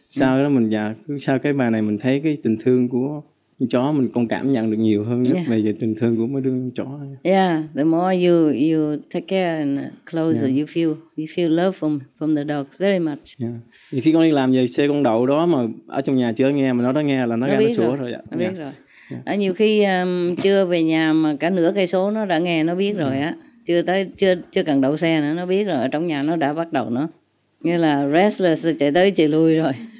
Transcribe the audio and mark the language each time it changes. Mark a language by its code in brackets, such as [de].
[vi] Sau đó mình sau cái bài này mình thấy cái tình thương của chó mình còn cảm nhận được nhiều hơn rất về tình thương của mấy đứa chó. [en] Yeah, the more you take care and closer, you feel love from the dogs very much. Yeah. [vi] Khi con đi làm về xe con đậu đó mà ở trong nhà chưa nghe mà nó đã nghe là nó ra nó sủa rồi. Nó biết rồi. Nhiều khi chưa về nhà mà cả nửa cây số nó đã nghe nó biết rồi á. Chưa cần đậu xe nữa nó biết rồi, ở trong nhà nó đã bắt đầu nữa. Như là restless chạy tới chạy lui rồi.